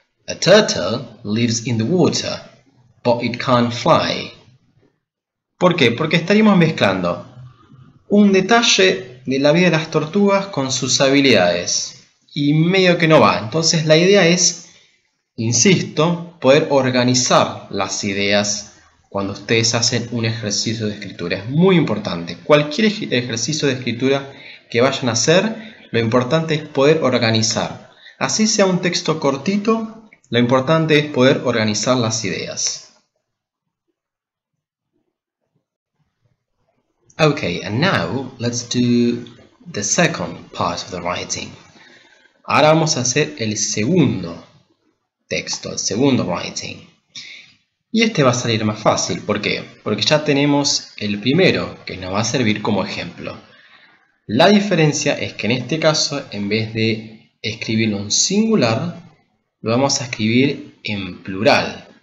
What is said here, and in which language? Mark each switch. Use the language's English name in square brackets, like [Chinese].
[English] A turtle lives in the water, but it can't fly." [Spanish] ¿Por qué? Porque estaríamos mezclando un detalle de la vida de las tortugas con sus habilidades. Y medio que no va. Entonces la idea es, insisto, poder organizar las ideas cuando ustedes hacen un ejercicio de escritura. Es muy importante. Cualquier ejercicio de escritura que vayan a hacer, lo importante es poder organizar. Así sea un texto cortito, lo importante es poder organizar las ideas. [English] Okay, and now let's do the second part of the writing. [Spanish] Ahora vamos a hacer el segundo texto, el segundo writing. Y este va a salir más fácil, ¿por qué? Porque ya tenemos el primero que nos va a servir como ejemplo. La diferencia es que en este caso, en vez de escribirlo en singular, lo vamos a escribir en plural.